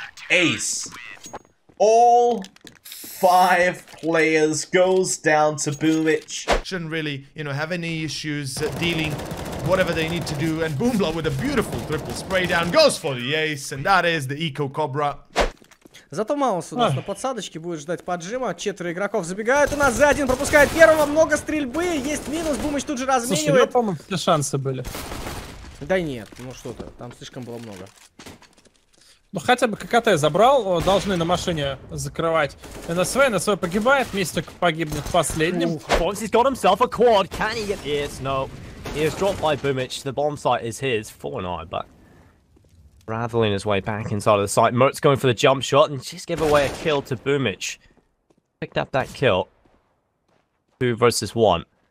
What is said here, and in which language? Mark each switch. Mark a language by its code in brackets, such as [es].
[en] Ace. All five players goes down to BOOMh. Shouldn't really, you know, have any issues dealing whatever they need to do. And BOOMbl4 with a beautiful triple spray down goes for the ace. And that is the Eco Cobra. [ru] Зато мало сюда, что подсадочки будет ждать поджима. Четверо игроков забегают у нас за один, пропускает первого, много стрельбы, есть минус, BOOMh тут же разменивает. Слушай, у него, по-моему, все шансы были. Да нет, ну что-то, там слишком было много. Ну хотя бы ККТ забрал, должны на машине закрывать. НСВ погибает, Мистик погибнет последним. [en] Фокси's got himself a quad, can he get it? No, he is dropped by BOOMh, the bomb site is his, 4-9, but... Raveling his way back inside of the site. Mert's going for the jump shot and just give away a kill to BOOMh. Picked up that kill. 2 versus 1.